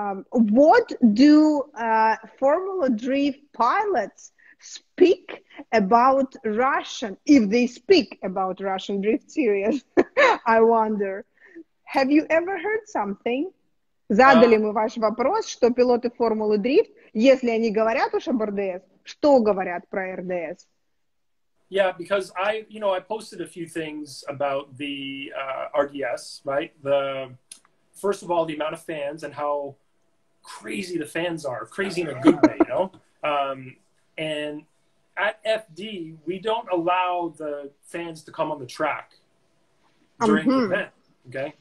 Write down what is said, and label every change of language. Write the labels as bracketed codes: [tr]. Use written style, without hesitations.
[en] What do Formula Drift pilots speak about Russian, if they speak about Russian drift series? I wonder, have you ever heard something? [ru] Задали мы ваш вопрос, что пилоты Формулы Дрифт, если они говорят уж об РДС, что говорят про РДС? [en] Yeah, because I, you know, I posted a few things about the RDS, right? The first of all, the amount of fans and how crazy the fans are. Crazy in a good way, you know? And at FD, we don't allow the fans to come on the track during the event, okay?